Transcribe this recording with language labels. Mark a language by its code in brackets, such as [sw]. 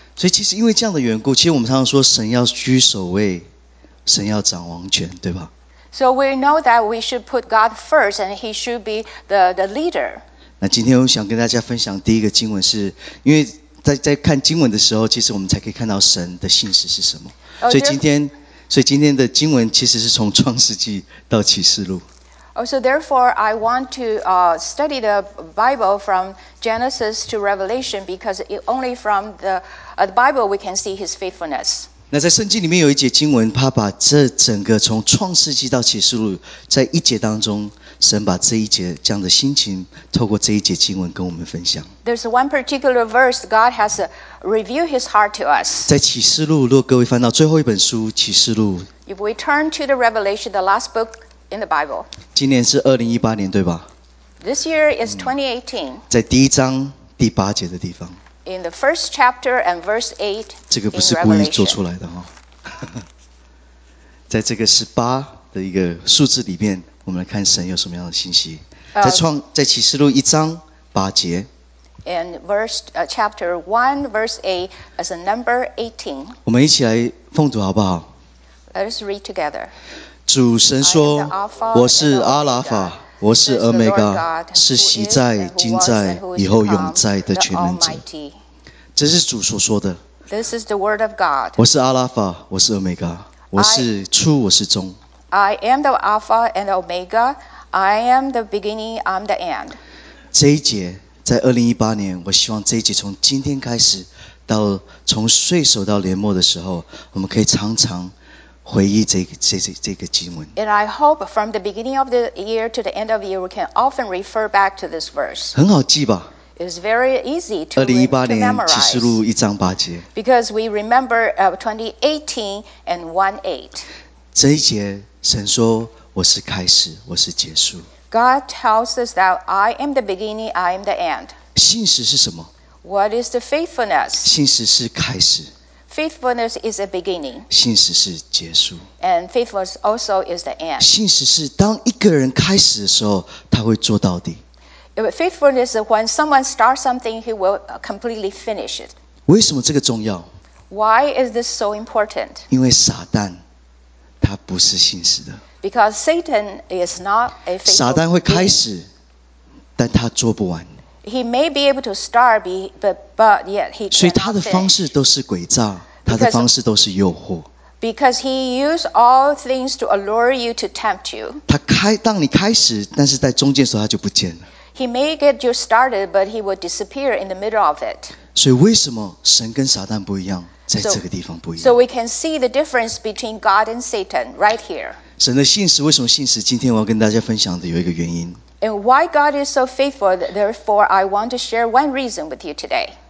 [zh] 所以其实因为这样的缘故，其实我们常常说神要居首位，神要掌王权，对吧？ [en] So we know that we should put God first, and He should be the leader. [zh] 那今天我想跟大家分享第一个经文是，因为在看经文的时候，其实我们才可以看到神的信实是什么。所以今天的经文其实是从创世纪到启示录。 [en] So therefore, I want to study the Bible from Genesis to Revelation because only from the Bible we can see His faithfulness. [zh] 那在圣经里面有一节经文，他把这整个从创世纪到启示录，在一节当中，神把这一节这样的心情，透过这一节经文跟我们分享。 [en] There's one particular verse God has revealed His heart to us. [zh] 在启示录，如果各位翻到最后一本书《启示录》 [en] ，If we turn to the Revelation, the last book. In the Bible. [zh] 今年是2018年对吧 [en] This year is 2018. [zh] 在第一章第八节的地方 [en] In the first chapter and verse 8 in Revelation. [zh] 这个不是故意做出来的、哦、在这个十八的一个数字里面我们来看神有什么样的信息、在启示录一章八节 [en] In chapter 1 verse 8 as a number 18. [zh] 我们一起来奉读好不好 [en] Let us read together. [zh] 主神说我是阿拉法我是俄美伽是昔在今在以后永在的全能者这是主所说的 [en] This is the word of God. [zh] 我是阿拉法我是俄美伽我是初我是终 [en] I am the Alpha and the Omega I am the beginning I'm the end [zh] 这一节在2018年我希望这一节从今天开始到从岁首到年末的时候我们可以常常回忆这个经文。 [en] And I hope from the beginning of the year to the end of the year, we can often refer back to this verse. [zh] 很好记吧 [en] It's very easy to memorize. [zh] 2018年启示录一章八节。 [en] Because we remember 2018 and 1:8. [zh] 这一节神说我是开始，我是结束。 [en] God tells us that I am the beginning, I am the end. [zh] 信实是什么 [en] ？What is the faithfulness? [zh] 信实是开始。 [en] Faithfulness is a beginning. [zh] 信实是结束。 [en] And faithfulness also is the end. [zh] 信实是当一个人开始的时候，他会做到底。 [en] Faithfulness is when someone starts something, he will completely finish it. [zh] 为什么这个重要 [en] ？Why is this so important? [zh] 因为撒旦他不是信实的。 [en] Because Satan is not a faithful. [zh] 撒旦会开始，但他做不完。 [en] He may be able to start, but yet he cannot. [zh] 所以他的方式都是诡诈，他的方式都是诱惑。 [en] Because he uses all things to allure you to tempt you. [zh] 他开当你开始，但是在中间的时候他就不见了。 [en] He may get you started, but he will disappear in the middle of it. [zh] 所以为什么神跟撒旦不一样，在这个地方不一样 [en] ？So we can see the difference between God and Satan right here. [zh] 神的信实为什么信实？今天我要跟大家分享的有一个原因。 [en] And why God is so faithful, therefore, I want to share one reason with you today.